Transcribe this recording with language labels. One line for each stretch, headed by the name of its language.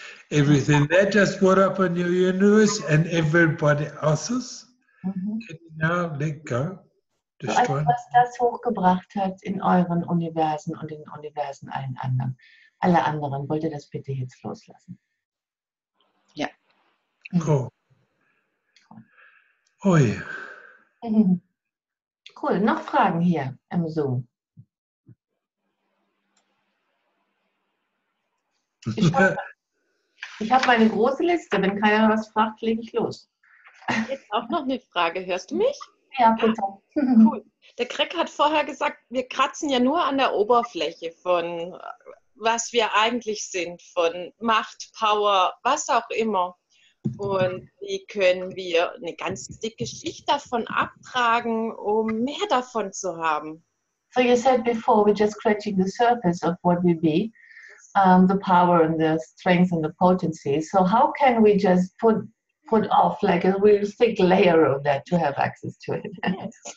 English: Everything that just brought up in your universe and everybody else's, can you now let go?
German: Also, was das hochgebracht hat in euren Universen und in den Universen allen anderen. Alle anderen, wollt ihr das bitte jetzt loslassen? Ja. Cool. Oh ja. Cool, noch Fragen hier im Zoom? Ich habe meine große Liste, wenn keiner was fragt, lege ich los. Jetzt auch noch eine Frage, hörst du mich? Ja, total. Cool. Der Greg hat vorher gesagt, wir kratzen ja nur an der Oberfläche von was wir eigentlich sind, von Macht, Power, was auch immer. Und wie können wir eine ganz dicke Schicht davon abtragen, um mehr davon zu haben?
English: So you said before, we're just scratching the surface of what we be, the power and the strength and the potency. So how can we just put off like a real thick layer of that to have access to it?